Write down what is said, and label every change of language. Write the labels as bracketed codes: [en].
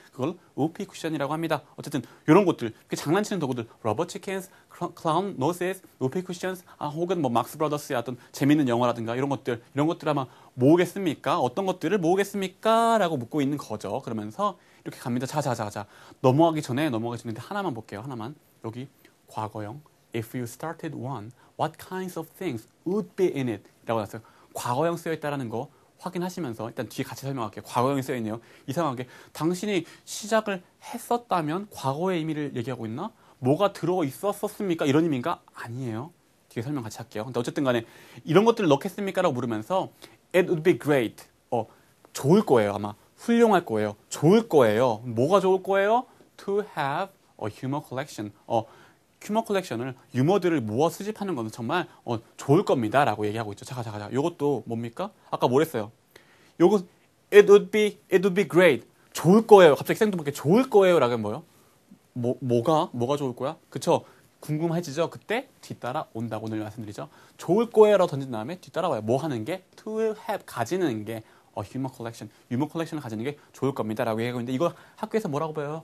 [ko] 그걸 우피 쿠션이라고 합니다. 어쨌든 이런 것들, 그 장난치는 도구들, 러버 치킨스, 클라운 노세스, 우피 쿠션스, 혹은 뭐 막스 브라더스의 어떤 재밌는 영화라든가 이런 것들 아마 모으겠습니까? 어떤 것들을 모으겠습니까? 라고 묻고 있는 거죠. 그러면서 이렇게 갑니다. 자. 넘어가기 전에 하나만 볼게요. 하나만. 여기 과거형, [en] If you started one, what kinds of things would be in it? [ko] 라고 나왔어요. 과거형 쓰여 있다라는 거 확인하시면서 일단 뒤에 같이 설명할게요. 과거형이 쓰여 있네요. 이상하게 당신이 시작을 했었다면 과거의 의미를 얘기하고 있나? 뭐가 들어 있었었습니까? 이런 의미인가? 아니에요. 뒤에 설명 같이 할게요. 근데 어쨌든 간에 이런 것들을 넣겠습니까? 라고 물으면서 [en] It would be great. [ko] 좋을 거예요. 아마 훌륭할 거예요. 좋을 거예요. 뭐가 좋을 거예요? [en] To have a humor collection. [ko] 휴머 컬렉션을 유머들을 모아 수집하는 건 정말 좋을 겁니다 라고 얘기하고 있죠. 자, 이것도 뭡니까? 아까 뭐랬어요? 요거 [en] it would be great. [ko] 좋을 거예요. 갑자기 생뚱맞게 좋을 거예요 라고 하면 뭐예요? 뭐가 좋을 거야? 그쵸? 궁금해지죠? 그때 뒤따라 온다고 늘 말씀드리죠. 좋을 거예요 라고 던진 다음에 뒤따라 와요. 뭐 하는 게? [en] To have, [ko] 가지는 게 휴머 컬렉션, 유머 컬렉션을 가지는 게 좋을 겁니다 라고 얘기하고 있는데 이거 학교에서 뭐라고 배워요?